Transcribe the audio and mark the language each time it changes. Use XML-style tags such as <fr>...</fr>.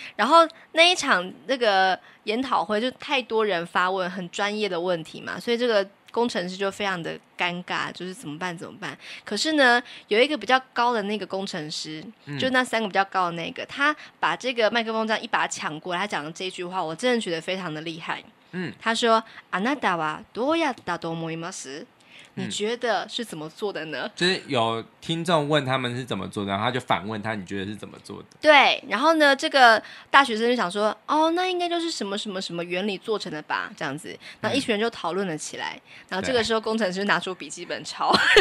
<zh>然后那一场那个研讨会就太多人发问，很专业的问题嘛，所以这个工程师就非常的尴尬，就是怎么办怎么办。可是呢，有一个比较高的那个工程师、就那三个比较高的那个，他把这个麦克风这样一把抢过来，他讲的这句话我真的觉得非常的厉害。</zh> <ja>他说あなたはどうやったと思います？</ja> <zh>你觉得是怎么做的呢？就是有听众问他们是怎么做的，然后他就反问他，你觉得是怎么做的？对，然后呢，这个大学生就想说，哦，那应该就是什么什么什么原理做成的吧，这样子。然后一群人就讨论了起来。然后这个时候，工程师就拿出笔记本抄。</zh>